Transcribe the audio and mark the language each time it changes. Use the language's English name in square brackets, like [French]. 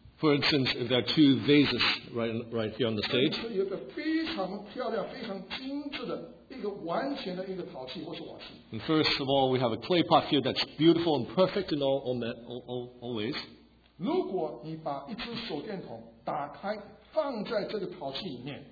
[English] For instance, if there are two vases right here on the stage, [Chinese] 有一个非常漂亮,非常精致的,一个完全的一个陶器或是瓦器。 [English] And first of all, we have a clay pot here that's beautiful and perfect in all ways. [Chinese] 如果你把一支手电筒打开,放在这个陶器里面,